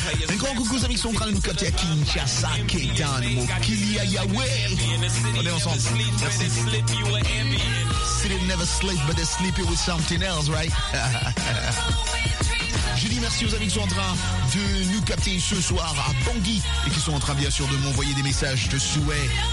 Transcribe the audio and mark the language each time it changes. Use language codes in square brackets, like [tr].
[fr] Un grand coucou aux amis qui sont en train de nous capter à Kinshasa, Kétan, Mokilia, Yahweh. On est ensemble, merci. [en] City never sleeps, but they sleep it with something else, right? [fr] Je dis merci aux amis qui sont en train de nous capter ce soir à Bangui et qui sont en train, bien sûr, de m'envoyer des messages de souhaits.